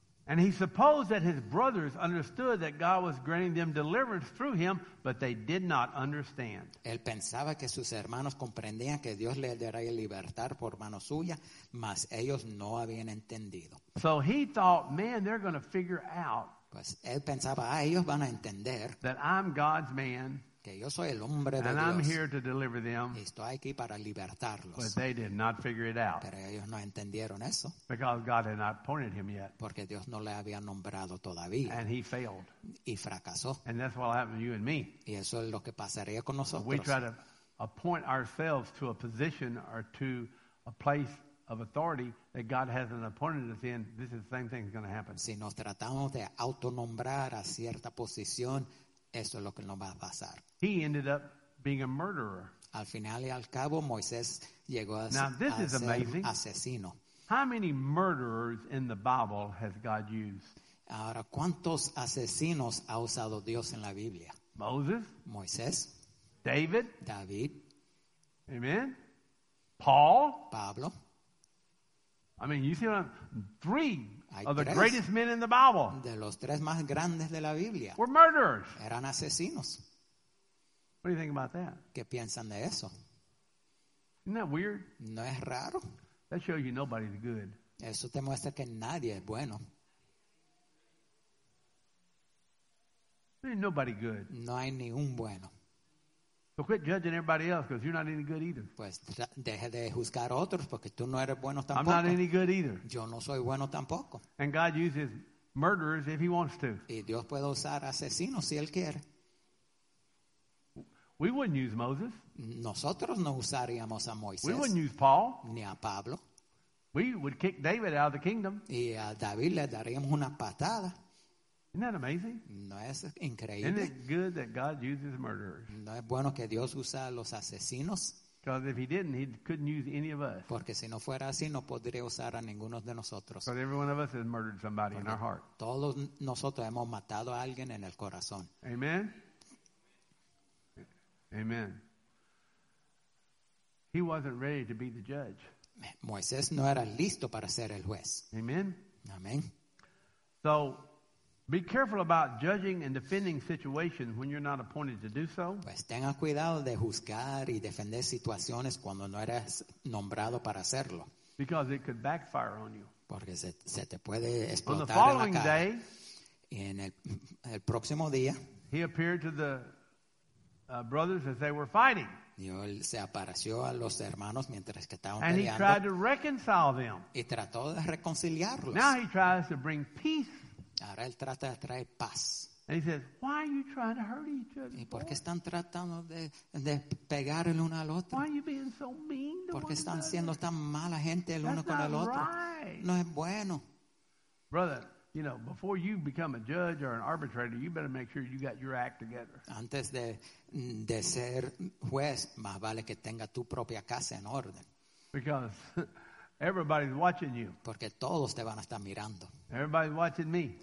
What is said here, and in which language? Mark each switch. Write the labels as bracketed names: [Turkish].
[English] And he supposed that his brothers understood that God was granting them deliverance through him, but they did not understand. [Spanish] Él pensaba que sus hermanos comprendían que Dios les daría libertad por mano suya, mas ellos no habían entendido. [English] So he thought, man, they're going to figure out. [Spanish] Pues él pensaba, ah, ellos van a entender. [English] That I'm God's man. [Spanish] Que yo soy el hombre de [English] and [Spanish] Dios. [English] I'm here to deliver them. [Spanish] Estoy aquí para libertarlos. [English] But they did not figure it out. [Spanish] Pero ellos no entendieron eso. [English] Because God had not appointed him yet. [Spanish] Porque Dios no le había nombrado todavía. [English] And he failed. [Spanish] Y fracasó. [English] And that's what happened to you and me. [Spanish] Y eso es lo que pasaría con nosotros. [English] We try to appoint ourselves to a position or to a place of authority that God hasn't appointed us in. This is the same thing that's going to happen. [Spanish] Si nos tratamos de autonombrar a cierta posición, eso es lo que nos va a pasar. [English] He ended up being a murderer. [Spanish] Al final y al cabo, Moisés llegó a, [English] now, this [Spanish] a [English] is [Spanish] ser [English] amazing. [Spanish] Asesino. [English] How many murderers in the Bible has God used? [Spanish] Ahora, ¿cuántos asesinos ha usado Dios en la Biblia? [English] Moses. [Spanish] Moisés. [English] David. [Spanish] David. [English] Amen. Paul. [Spanish] Pablo. [English] I mean, you see what I'm... Three of the greatest men in the Bible. [Spanish] De los tres más grandes de la Biblia. [English] Were murderers. [Spanish] Eran asesinos. [English] What do you think about that? [Spanish] ¿Qué piensan de eso? [English] Isn't that weird? [Spanish] ¿No es raro? [English] That shows you nobody's good. [Spanish] Eso te muestra que nadie es bueno. [English] There's nobody good. [Spanish] No hay ni un bueno. [English] So quit judging everybody else because you're not any good either. [Spanish] Pues deje de juzgar a otros porque tú no eres bueno tampoco. [English] I'm not any good either. [Spanish] Yo no soy bueno tampoco. [English] And God uses murderers if he wants to. [Spanish] Y Dios puede usar asesinos si él quiere. [English] We wouldn't use Moses. [Spanish] Nosotros no usaríamos a Moisés. [English] We wouldn't use Paul. [Spanish] Ni a Pablo. [English] We would kick David out of the kingdom. [Spanish] Y a David le daríamos una patada. [English] Isn't that amazing? [Spanish] No es increíble. [English] Isn't it good that God uses murderers? [Spanish] No es bueno que Dios usa a los asesinos. [English] Because if he didn't, he couldn't use any of us. [Spanish] Porque si no fuera así, no podría usar a ninguno de nosotros. [English] But every one of us has murdered somebody [Spanish] Porque [English] in our heart. [Spanish] Todos nosotros hemos matado a alguien en el corazón. [English] Amen. [Spanish] Amen. [English] He wasn't ready to be the judge. [Spanish] Moisés no era listo para ser el juez. [English] Amen. [Spanish] Amen. [English] So, be careful about judging and defending situations when you're not appointed to do so. [Spanish] Pues tenga cuidado de juzgar y defender situaciones cuando no eres nombrado para hacerlo. [English] Because it could backfire on you. [Spanish] Porque se te puede explotar en la cara. [English] On the following day, [Spanish] en el próximo día, [English] he appeared to the brothers as they were fighting. [Spanish] Y él se apareció a los hermanos mientras que estaban [English] and [Spanish] peleando. [English] He tried to reconcile them. [Spanish] Y trató de reconciliarlos. [English] Now he tries to bring peace. [Spanish] Ahora él trata de traer paz. [English] And he says, why are you trying to hurt each other? [Spanish] ¿Y por qué están tratando de pegar el uno al otro? [English] Why are you being so mean to [Spanish] ¿Por qué están [English] another? [Spanish] Siendo tan mala gente el [English] That's [Spanish] uno con el otro? [English] Right. [Spanish] No es bueno. [English] Brother, you know, before you become a judge or an arbitrator, you better make sure you got your act together. [Spanish] Antes de ser juez, más vale que tenga tu propia casa en orden. [English] Because everybody's watching you. [Spanish] Porque todos te van a estar mirando. [English] Everybody's watching me.